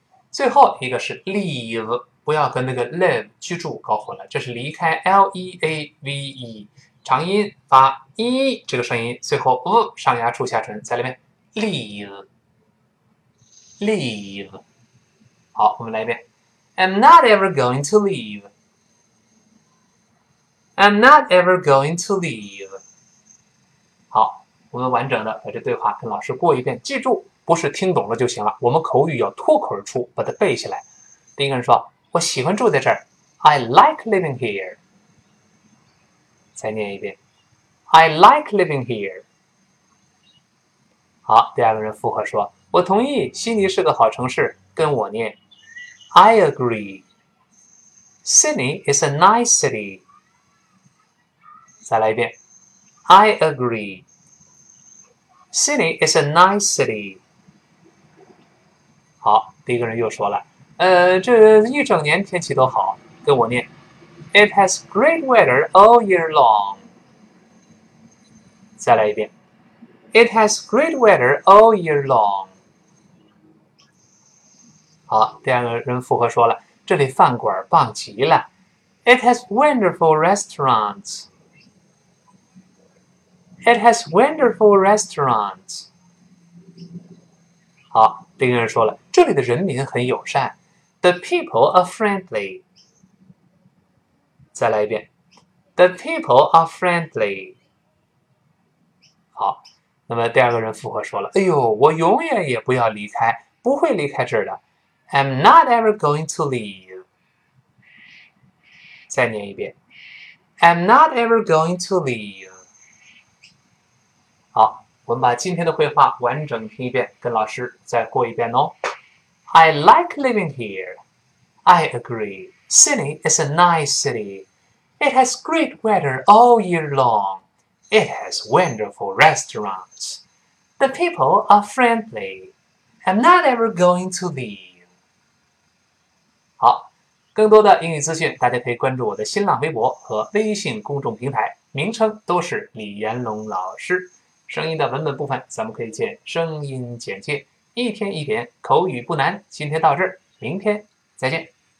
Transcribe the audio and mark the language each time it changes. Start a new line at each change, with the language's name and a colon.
Chinese: 最后一个是 leave， 不要跟那个 live 居住搞混了，这是离开 ，l e a v e。长音发一这个声音，最后上牙触下唇，在里面 leave。好，我们来一遍 ，
English: I'm not ever going to leave。
Chinese: 好，我们完整的把这对话跟老师过一遍，记住不是听懂了就行了，我们口语要脱口而出，把它背下来。第一个人说：“我喜欢住在这儿 ，
English: I like living here。”
Chinese: 再念一遍 ，
English: I like living here。
Chinese: 好，第二个人附和说：“我同意，悉尼是个好城市。” 跟我念
English: ，I agree。Sydney is a nice city。
Chinese: 再来一遍 ，
English: I agree。 Sydney is a nice city。
Chinese: 好，第一个人又说了：“这一整年天气都好。” 跟我念。
English: It has great weather all year long.
Chinese: 再来一遍。
English: It has great weather all year long.
Chinese: 好，第二个人附和说了，这里饭馆棒极了。
English: It has wonderful restaurants. It has wonderful restaurants.
Chinese: 好，第二个人说了，这里的人民很友善。
English: The people are friendly.
Chinese: 再来一遍
English: ，The people are friendly。
Chinese: 好，那么第二个人附和说了：“哎呦，我永远也不要离开，不会离开这儿的。
English: ”I'm not ever going to leave。
Chinese: 再念一遍 ，
English: I'm not ever going to leave。
Chinese: 好，我们把今天的绘画完整听一遍，跟老师再过一遍哦。
English: I like living here. I agree. Sydney is a nice city. It has great weather all year long. It has wonderful restaurants. The people are friendly. I'm not ever going to leave. 好，
Chinese: 更多的英语资讯，大家可以关注我的新浪微博和微信公众平台，名称都是李彦龙老师。声音的文本部分，咱们可以见声音简介。一天一点，口语不难。今天到这儿，明天再见。